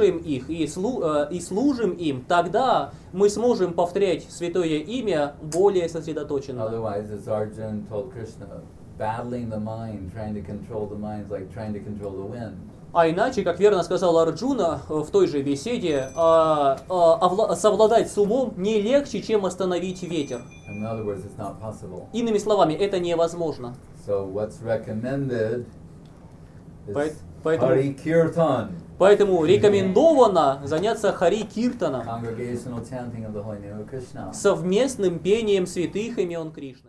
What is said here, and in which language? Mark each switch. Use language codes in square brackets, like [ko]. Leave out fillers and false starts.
[ru] Когда мы слушаем их и служим им, тогда мы сможем повторять святое имя более сосредоточенно. [en] Otherwise, as Arjun told Krishna, battling the mind, trying to control the mind is like trying to control the wind. [ru] А иначе, как верно сказал Арджуна в той же беседе, совладать с умом не легче, чем остановить ветер. [en] In other words, it's not possible. [ru] Иными словами, это невозможно. [en] So what's recommended is Hari Kirtan. [ru] Поэтому рекомендовано заняться Хари Киртаном. [en] Congregational chanting of the holy name of Krishna. [ru] Совместным пением святых имен Кришны.